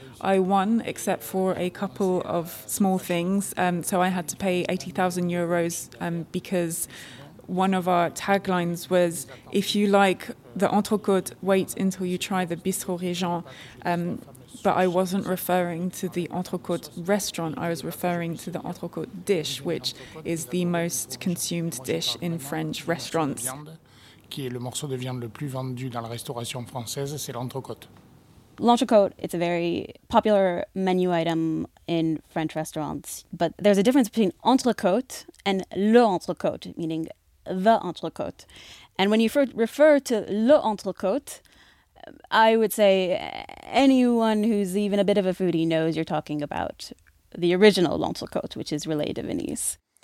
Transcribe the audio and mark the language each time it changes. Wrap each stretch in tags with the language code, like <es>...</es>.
<en>I won, except for a couple of small things, so I had to pay 80,000 euros because one of our taglines was, if you like the entrecôte, wait until you try the Bistro Rigon. But I wasn't referring to the entrecôte restaurant. I was referring to the entrecôte dish, which is the most consumed dish in French restaurants.</en> <fr>Qui est le morceau de viande le plus vendu dans la restauration française, c'est l'entrecôte.</fr> <en>L'entrecôte, it's a very popular menu item in French restaurants. But there's a difference between entrecôte and le entrecôte, meaning the entrecôte. And when you refer to le entrecôte, I would say anyone who's even a bit of a foodie knows you're talking about the original l'entrecôte, which is Relais de Venise.</en>